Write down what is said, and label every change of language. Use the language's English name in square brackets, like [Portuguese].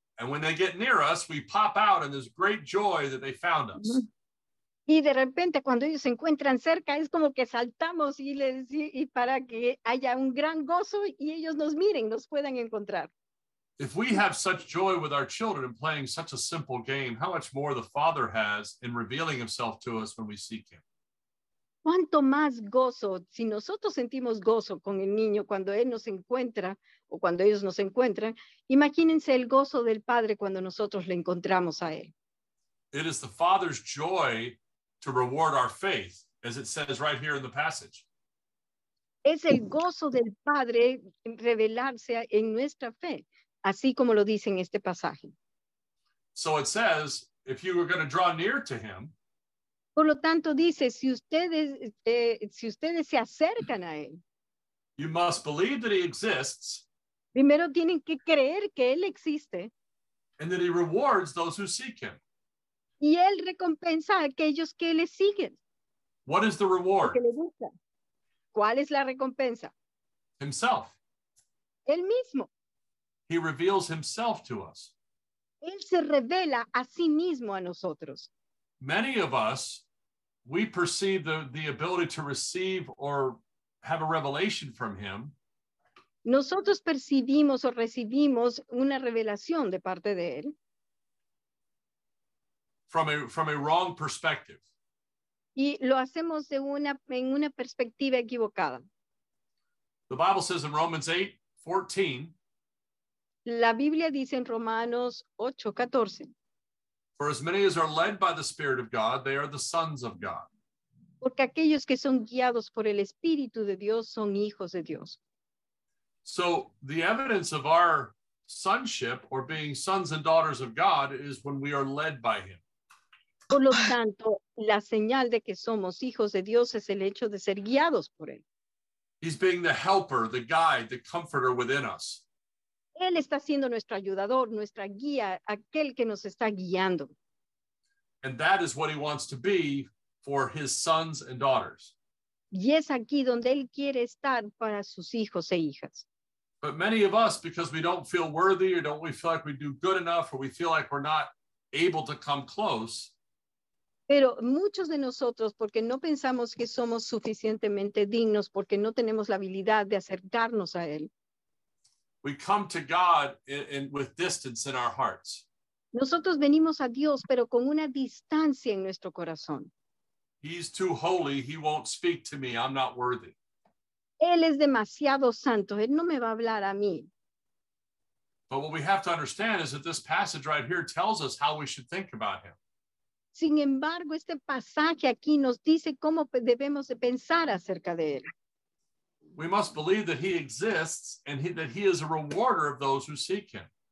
[English] And when they get near us, we pop out and there's great joy that they found us. [Spanish] Y de repente cuando ellos se encuentran cerca es como que saltamos y para que haya un gran gozo y ellos nos miren, nos puedan encontrar. [English] If we have such joy with our children in playing such a simple game, how much more the Father has in revealing himself to us when we seek him. [Spanish] ¿Cuánto más gozo si nosotros sentimos gozo con el niño cuando él nos encuentra o cuando ellos nos encuentran? Imagínense el gozo del Padre cuando nosotros le encontramos a él. [English] It is the Father's joy to reward our faith, as it says right here in the passage. [Spanish] Es el gozo del Padre revelarse en nuestra fe, así como lo dice en este pasaje. [English] So it says, if you were going to draw near to him, [Spanish] por lo tanto dice, si ustedes se acercan a él, [English] you must believe that he exists. [Spanish] Primero tienen que creer que él existe. [English] And that he rewards those who seek him. [Spanish] Y él recompensa a aquellos que le siguen. [English] What is the reward? [Spanish] Que le buscan. ¿Cuál es la recompensa? [English] Himself. [Spanish] Él mismo. [English] He reveals himself to us. [Spanish] Él se revela a sí mismo a nosotros. [English] Many of us, we perceive the ability to receive or have a revelation from him. [Spanish] Nosotros percibimos o recibimos una revelación de parte de él. [English] From a wrong perspective. [Spanish] Y lo hacemos de una, en una perspectiva equivocada. [English] The Bible says in Romans 8:14. [Spanish] La Biblia dice en Romanos 8:14. [English] For as many as are led by the Spirit of God, they are the sons of God. [Spanish] Porque aquellos que son guiados por el Espíritu de Dios son hijos de Dios. [English] So the evidence of our sonship or being sons and daughters of God is when we are led by him. [Spanish] Por lo tanto, la señal de que somos hijos de Dios es el hecho de ser guiados por él. [English] He's being the helper, the guide, the comforter within us. [Spanish] Él está siendo nuestro ayudador, nuestra guía, aquel que nos está guiando. [English] And that is what he wants to be for his sons and daughters. [Spanish] Y es aquí donde él quiere estar para sus hijos e hijas. [English] But many of us, because we don't feel worthy or don't we feel like we do good enough or we feel like we're not able to come close. [Spanish] Pero muchos de nosotros, porque no pensamos que somos suficientemente dignos, porque no tenemos la habilidad de acercarnos a él. [English] We come to God in with distance in our hearts. [Spanish] Nosotros venimos a Dios, pero con una distancia en nuestro corazón. [English] He's too holy. He won't speak to me. I'm not worthy. [Spanish] Él es demasiado santo. Él no me va a hablar a mí. [English] But what we have to understand is that this passage right here tells us how we should think about him. [Spanish] Sin embargo, este pasaje aquí nos dice cómo debemos de pensar acerca de él. [English] We must believe that he exists and that he is a rewarder of those who seek him.